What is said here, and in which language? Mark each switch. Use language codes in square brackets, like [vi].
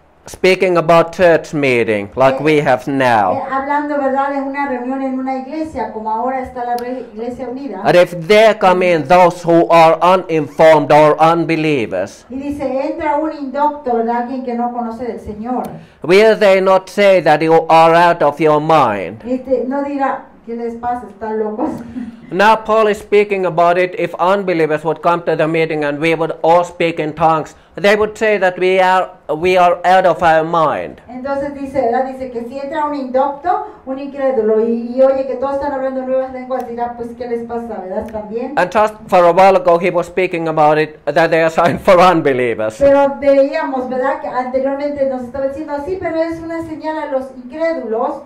[en] Speaking about church meeting, like we have now. [es] Hablando, ¿verdad?, de una reunión en una iglesia, como ahora está la iglesia unida. [en] And if there come in those who are uninformed or unbelievers. [es] Y dice, entra un indocto, ¿verdad?, alguien que no conoce del Señor. [en] Will they not say that you are out of your mind? [es] No dirá, ¿qué les pasa? ¿Están locos? [en] Now Paul is speaking about it, if unbelievers would come to the meeting and we would all speak in tongues, they would say that we are out of our mind. [es] Entonces dice que si entra un indocto, un incrédulo, y oye que todos están hablando nuevas lenguas, dirá, pues, ¿qué les pasa? ¿Verdad? ¿También? [en] And just for a while ago he was speaking about it, that they are signs for unbelievers. [es] Pero veíamos, ¿verdad?, que anteriormente nos estaba diciendo, sí, pero es una señal a los incrédulos.